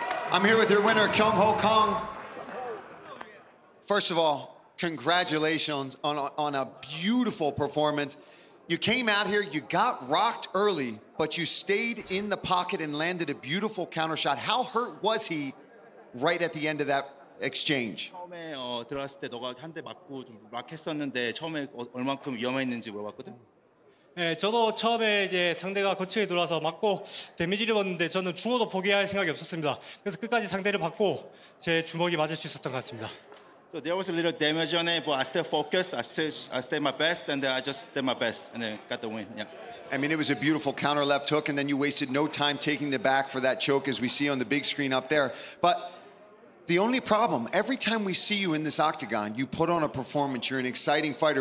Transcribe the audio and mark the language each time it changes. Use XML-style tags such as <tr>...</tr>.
<en>I'm here with your winner, Kyung Ho Kang. First of all, congratulations on a beautiful performance. You came out here, you got rocked early, but you stayed in the pocket and landed a beautiful counter shot. How hurt was he right at the end of that exchange?</en> <ko>처음에 들어왔을 때 너가 한 대 맞고 좀 락했었는데 처음에 얼만큼 위험했는지 물어봤거든. 네, 저도 처음에 이제 상대가 거칠게 돌아서 맞고 데미지를 받는데 저는 죽어도 포기할 생각이 없었습니다. 그래서 끝까지 상대를 받고 제 주먹이 맞을 수 있었던 것 같습니다.</ko> <en>So there was a little damage on it, but I still focused. I stayed my best, and then I just did my best, and then got the win. Yeah. I mean, it was a beautiful counter left hook, and then you wasted no time taking the back for that choke, as we see on the big screen up there. But the only problem, every time we see you in this octagon, you put on a performance. You're an exciting fighter.</en>